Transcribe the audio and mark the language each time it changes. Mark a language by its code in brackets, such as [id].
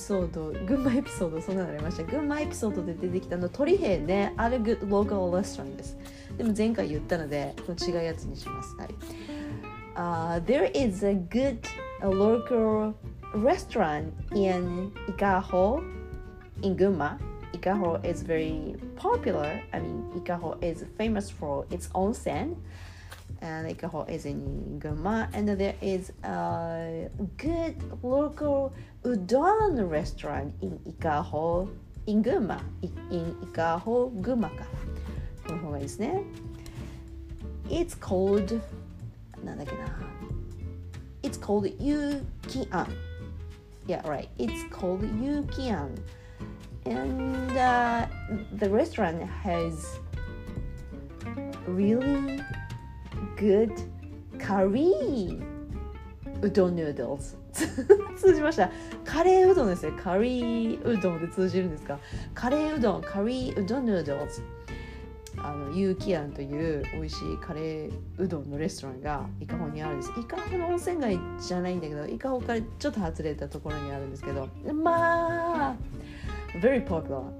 [ja] 群馬エピソード、そんなのありました。群馬エピソードで出てきたの、鳥平ね、ある [en] good local restaurant [ja] です。でも前回言ったので、違うやつにします。はい。 [en] There is a good local restaurant in Ikaho, in Gunma. Ikaho is very popular. I mean, Ikaho is famous for its onsen. And Ikaho is in Gunma. And there is a good local udon restaurant in Ikaho, in Gunma. [ja] In Ikaho, Gunma から。この方がいいですね。 [en] It's called... [ja] なんだっけな [en] It's called Yuki-an. Yeah, right. It's called Yuki-an. And、the restaurant has really good curry udon noodles. [ja] 通じました。カレーうどんですよ。カレーうどんで通じるんですか。カレーうどん、カレーうどん noodles。あのユーキアンという美味しいカレーうどんのレストランがイカホにあるんです。イカホの温泉街じゃないんだけど、イカホからちょっと外れたところにあるんですけど、まあ [en] very popular.